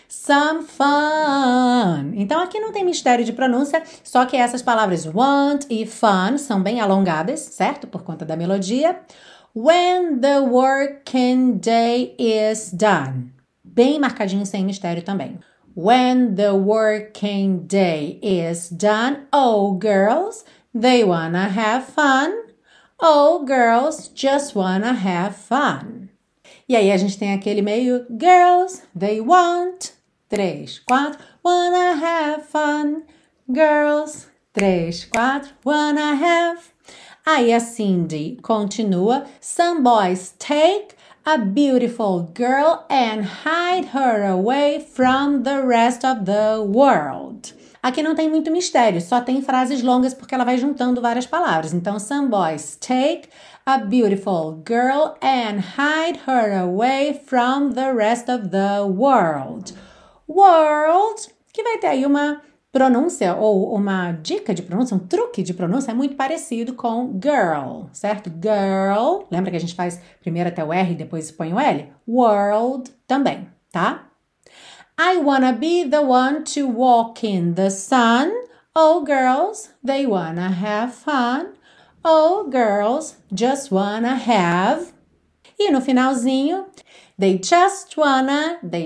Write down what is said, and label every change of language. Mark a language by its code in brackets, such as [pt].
[en] Some fun. [pt] Então aqui não tem mistério de pronúncia, só que essas palavras want e fun são bem alongadas, certo? Por conta da melodia. [en] When the working day is done. [pt] Bem marcadinho sem mistério também. [en] When the working day is done, oh girls, they wanna have fun. Oh girls, just wanna have fun. [pt] E aí a gente tem aquele meio [en] girls, they want. [pt] Três, quatro, [en] wanna have fun, girls. [pt] Três, quatro, [en] wanna have. [pt] Aí a Cindy continua. [en] Some boys take a beautiful girl and hide her away from the rest of the world. [pt] Aqui não tem muito mistério, só tem frases longas porque ela vai juntando várias palavras. [en] Então, some boys take a beautiful girl and hide her away from the rest of the world. [pt] World, que vai ter aí uma pronúncia ou uma dica de pronúncia, um truque de pronúncia muito parecido com girl, certo? Girl, lembra que a gente faz primeiro até o R e depois põe o L? World também, tá? [en] I wanna be the one to walk in the sun. Oh, girls, they wanna have fun. Oh, girls, just wanna have. [pt] E no finalzinho, [en] they just wanna.